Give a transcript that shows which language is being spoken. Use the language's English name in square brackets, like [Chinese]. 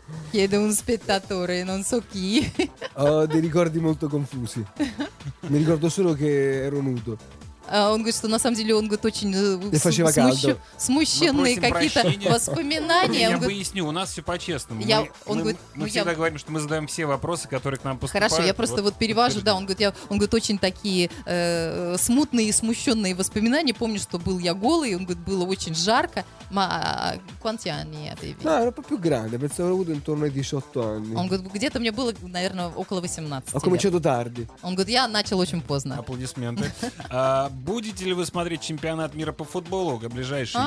[Italian] Chiede un spettatore, non so chi. Ho dei ricordi molto confusi. Mi ricordo solo che ero nudo. [Russian] Он говорит, что на самом деле он говорит, очень смущенные какие-то прощения. Воспоминания. Я поясню, у нас все по-честному. Мы всегда говорим, что мы задаем все вопросы, которые к нам поступают. Хорошо, я просто вот перевожу, да, он говорит, очень такие смутные и смущенные воспоминания. Помню, что был я голый, он говорит, было очень жарко. [Italian] Ma quanti anni avevi? No, ero un po' più grande, pensavo avrei avuto intorno ai 18 anni. [Russian] Он говорит, где-то мне было, наверное, около 18. [Italian] Ho cominciato tardi. [Russian] Он говорит, я начал очень поздно. Аплодисменты. Будете ли вы смотреть чемпионат мира по футболу ближайший?